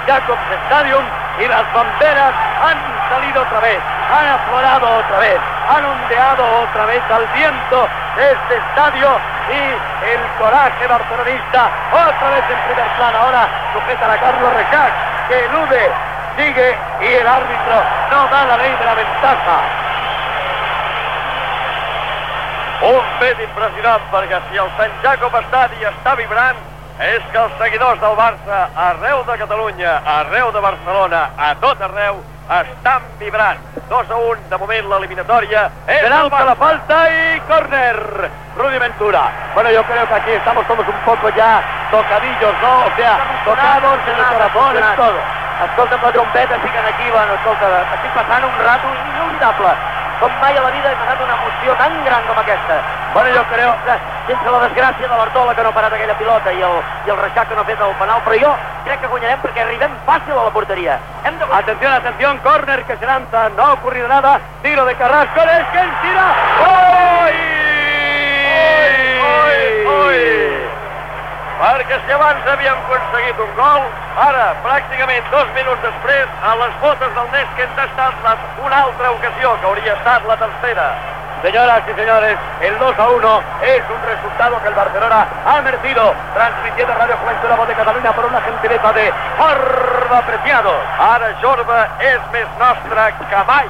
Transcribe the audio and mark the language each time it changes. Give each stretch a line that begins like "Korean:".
Spanish: Jacobs Stadium y las banderas han salido otra vez, han aflorado otra vez, han ondeado otra vez al viento de este estadio y el coraje barcelonista otra vez en primer plano. Ahora sujeta a Carlos Rejac, que elude, sigue y el árbitro no da la ley de la ventaja.
Catalan: Un fet impressionant, perquè si el St. Jacobs Stadium està vibrant, és que els seguidors del Barça arreu de Catalunya, arreu de Barcelona, a tot arreu, estan vibrant. 2-1, de moment l'eliminatòria. Penalti, la falta i córner. Rudi Ventura.
Spanish: Bueno, yo creo que aquí estamos todos un poco ya tocadillos, ¿no? O sea, tocados en el corazón, en todo.
Catalan: Escolta'm, la trompeta, fiquen aquí, bueno, escolta, estic passant un rato inolvidable. Com mai a la vida he passat una emoció tan gran com aquesta. Bueno, jo crec... Sense la desgràcia de l'Artola, que no ha parat aquella pilota, i el Reixac, que no ha fet el penal, però jo crec que guanyarem perquè arribem fàcil a la porteria. Hem de... Atenció, atenció,
Spanish: córner que se lanza, no ha ocurrido nada, tiro de Carrasco,
Catalan: és que ens tira... Oi! Oi! Oi! Oi! Perquè si abans havíem aconseguit un gol, ara, pràcticament dos minuts després, a les botes del Nesquen ha estat una altra ocasió, que hauria estat la tercera.
Spanish: Señoras y señores, el 2-1 es un resultado que el Barcelona ha merecido, transmitiendo Radio Juventud, la voz de Cataluña, por una gentileza de Jorba Preciado.
Catalan: Ara Jorba és més nostre que mai.